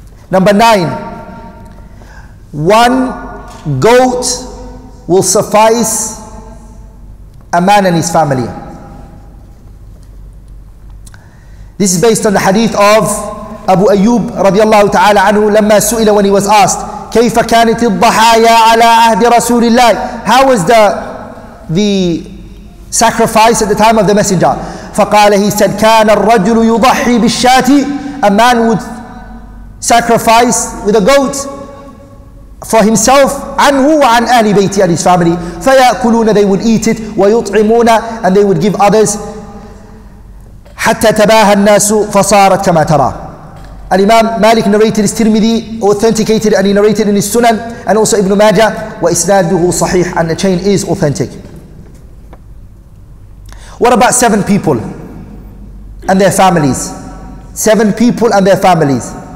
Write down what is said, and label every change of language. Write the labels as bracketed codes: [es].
[en] Number nine, one goat will suffice a man and his family. This is based on the hadith of Abu Ayyub radiallahu ta'ala anhu, when he was asked, [ar] كيف كانت الضحايا على عهد رسول الله. [en] How was the sacrifice at the time of the messenger? [ar] فقال, [en] he said, [ar] كان الرجل يضحي بالشاة. [en] A man would sacrifice with a goat for himself, [ar] عنه وعن أهل بيتي, [en] and his family. [ar] فيأكلون, [en] they would eat it, [ar] ويطعمون, [en] and they would give others. [ar] حتى تباهى الناس فصارت كما ترى. [en] الإمام مالك narrated his Tirmidhi, authenticated, and he narrated in his Sunan, and also Ibn Majah, [ar] وإسناده صحيح, [en] and the chain is authentic. What about seven people and their families? Seven people and their families.